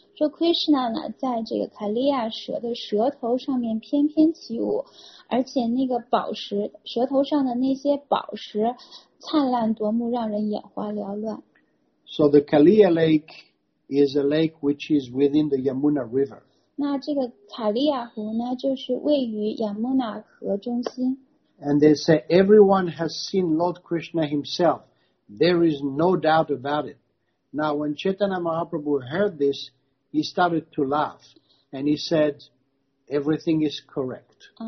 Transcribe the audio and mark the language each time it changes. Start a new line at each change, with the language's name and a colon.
Chinese: 说 Krishna 呢，在这个 Kaliya 蛇的蛇头上面翩翩起舞，而且那个宝石蛇头上的那些宝石灿烂夺目，让人眼花缭乱。
English: So the Kaliya Lake is a lake which is within the Yamuna River.
Chinese: 那这个卡利亚湖呢，就是位于亚穆纳河中心。
English: And they say everyone has seen Lord Krishna himself. There is no doubt about it. Now, when Chaitanya Mahaprabhu heard this, he started to laugh, and he said, "Everything is correct."